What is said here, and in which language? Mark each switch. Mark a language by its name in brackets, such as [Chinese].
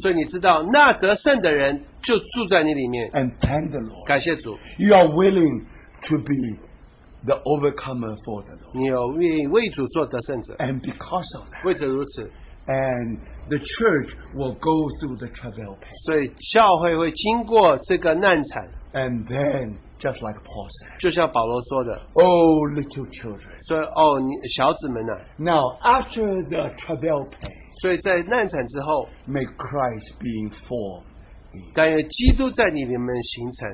[Chinese] 所以你知道那得胜的人就住在你里面, [English] and thank the Lord. [Chinese] 感谢主, [English] you are willing to be the overcomer for the Lord. [Chinese] 你有愿意为主做得胜者, [English] and because of that, [Chinese] 为着如此, [English] and the church will go through the travail pain. [Chinese] 所以教会会经过这个难产, [English] and then, just like Paul said, [Chinese] 就像保罗说的, [English] oh, little children, [Chinese] 所以, oh, 小子们啊, [English] now, after the travail pain, [Chinese] 所以在难产之后, [English] may Christ be formed in, [Chinese] 但有基督在你们形成,